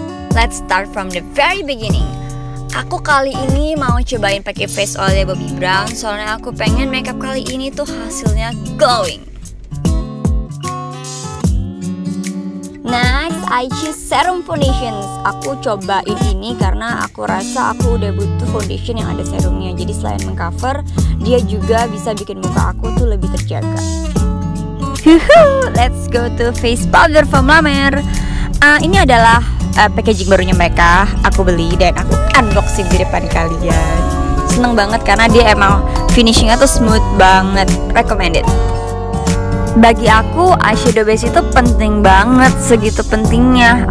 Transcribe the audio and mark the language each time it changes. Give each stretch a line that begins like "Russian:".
English: Let's start from the very beginning.
Indonesian: Aku kali ini mau cobain pakai face oilnya Bobbi Brown, soalnya aku pengen makeup kali ini tuh hasilnya glowing.
English: Next, I choose serum foundations.
Indonesian: Aku cobain ini karena aku rasa aku udah butuh foundation yang ada serumnya. Jadi selain mengcover, dia juga bisa bikin muka aku tuh lebih terjaga.
English: Let's go to face powder from La Mer.
Indonesian: Ini adalah packaging barunya mereka. Aku beli dan aku unboxing di depan kalian. Seneng banget karena dia emang finishingnya tuh smooth banget. Recommended. Bagi aku, eyeshadow base itu penting banget, segitu pentingnya.